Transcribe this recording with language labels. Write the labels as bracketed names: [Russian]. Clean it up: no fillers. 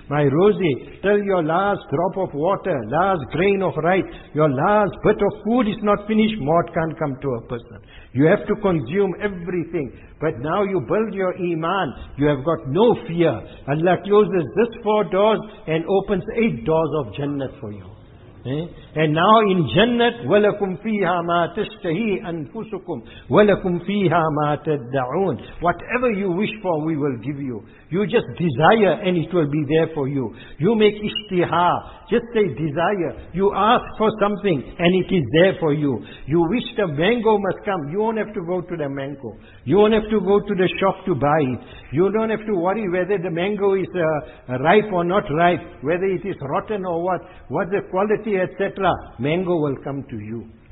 [English] My rozi, till your last drop of water, last grain of rice, your last bit of food is not finished, maut can't come to a person. You have to consume everything. But now you build your iman, you have got no fear. Allah closes this four doors and opens eight doors of Jannah for you. And now in Jannah, [Arabic] وَلَكُمْ فِيهَا مَا تَشْتَهِي أَنفُسُكُمْ وَلَكُمْ فِيهَا مَا تَدَّعُونَ. [English] Whatever you wish for, we will give you. You just desire and it will be there for you. You make ishtiha, just say desire. You ask for something and it is there for you. You wish the mango must come, you won't have to go to the mango. You won't have to go to the shop to buy it. You don't have to worry whether the mango is ripe or not ripe, whether it is rotten or what the quality, etc. Mango will come to you.